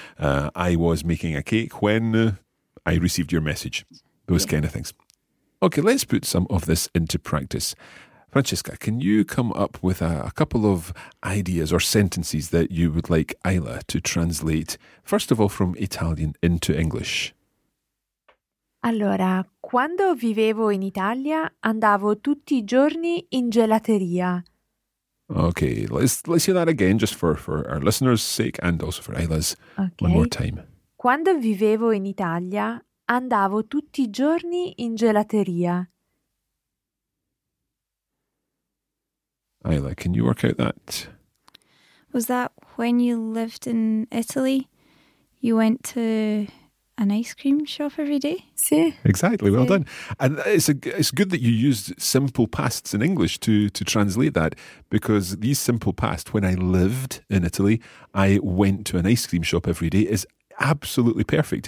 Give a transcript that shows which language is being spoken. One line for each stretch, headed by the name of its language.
English: I was making a cake when I received your message. Those yeah. kind of things. Okay, let's put some of this into practice. Francesca, can you come up with a couple of ideas or sentences that you would like Ayla to translate, first of all, from Italian into English?
Italian: Allora, quando vivevo in Italia, andavo tutti I giorni in gelateria.
English: Okay, let's hear that again, just for our listeners' sake and also for Ayla's. Okay. One more time.
Italian: Quando vivevo in Italia, andavo tutti I giorni in gelateria.
English: Ayla, can you work out that? Was that when you lived in Italy? You went to an ice cream shop every day?
Italian: Sí.
English: Exactly, well done. And it's good that you used simple pasts in English to translate that, because these simple past, when I lived in Italy, I went to an ice cream shop every day, is absolutely perfect.